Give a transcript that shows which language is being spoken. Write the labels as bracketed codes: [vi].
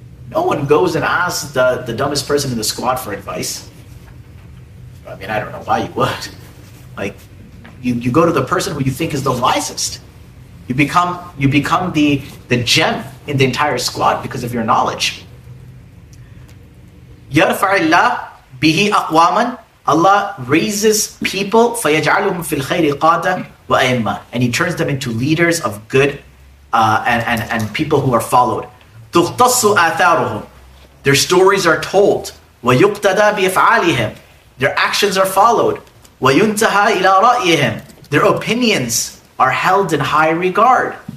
[en] No one goes and asks the dumbest person in the squad for advice. I mean, I don't know why you would. Like, you go to the person who you think is the wisest. You become the gem in the entire squad because of your knowledge. [ar] يَرْفَعِ اللَّهِ بِهِ أَقْوَامًا. [en] Allah raises people, [ar] فَيَجْعَلُهُمْ فِي الْخَيْرِ قَادًا وَأَئِمَّةً. [en] And He turns them into leaders of good and people who are followed. [ar] تُغْتَصُ آثَارُهُمْ. [en] Their stories are told. [ar] وَيُقْتَدَى بِأَفْعَالِهِمْ. [en] Their actions are followed. [ar] وَيُنْتَهَى إِلَىٰ رَأْيِهِمْ. [en] Their opinions are held in high regard.